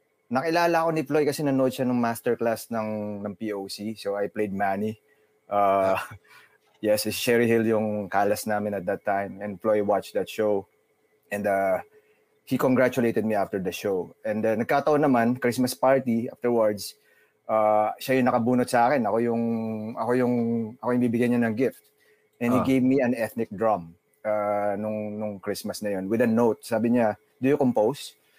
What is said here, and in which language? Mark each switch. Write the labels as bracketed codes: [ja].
[tl] Nakilala ko ni Floyd kasi nanood siya ng masterclass ng POC. [en] So I played Manny. Yes, Sherry Hill [tl] yung kalas namin [en] at that time. And Floyd watched that show. And he congratulated me after the show. [tl] And then nagkataon naman, [en] Christmas party afterwards, [tl] siya yung nakabunot sa akin. Ako yung bibigyan niya ng gift. [en] And he gave me an ethnic drum [tl] nung Christmas na yun [en] with a note. [tl] Sabi niya, [en] do you compose?